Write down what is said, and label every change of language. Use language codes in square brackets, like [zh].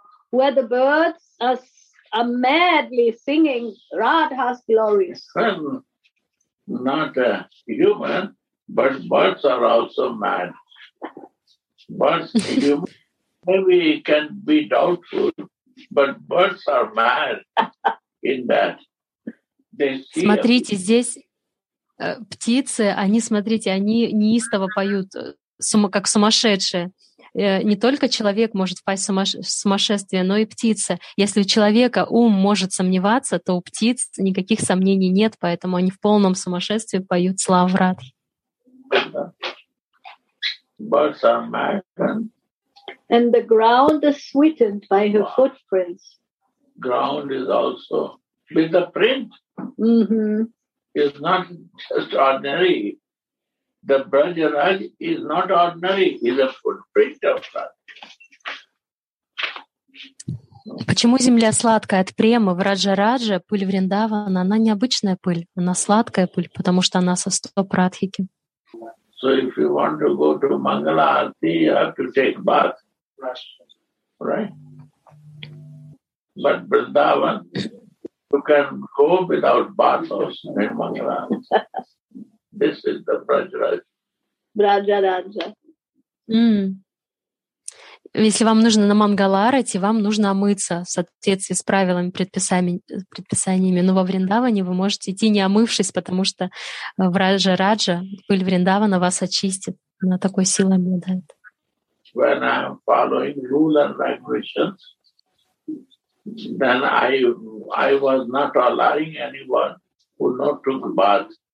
[en] Where the birds are madly singing Radha's glories. Not a human, but birds are also mad. Maybe it can be doubtful, but birds are mad in that. [ru] Смотрите, здесь птицы, они, смотрите, они неистово поют, как сумасшедшие. Не только человек может впасть в сумасшествие, но и птица. Если у человека ум может сомневаться, то у птиц никаких сомнений нет, поэтому они в полном сумасшествии поют славу Радхи. [en] Birds are mad. And the ground is sweetened by her footprints. Ground is also with the print. Mm-hmm. It's not just ordinary. The Brajaraj is not ordinary. It's a footprint of that. [ru] Почему земля сладкая от премы в Раджа-Раджа, пыль Вриндавана, она необычная пыль, она сладкая пыль, потому что она со стоп Радхики. [en] So if you want to go to Mangala Arati, you have to take bath. Right? But Vrindavan, you can go without bath also in Mangala Arati. This is the Brajaraj. Brajaraja. [ru] Если вам нужно на Мангаларати, вам нужно омыться в соответствии с правилами, предписаниями. Но во Вриндаване вы можете идти не омывшись, потому что в Раджа-Раджа пыль Вриндавана вас очистит. Она такой силой обладает. [en] When I'm following rule and regulations, then I was not allowing anyone who not took bath.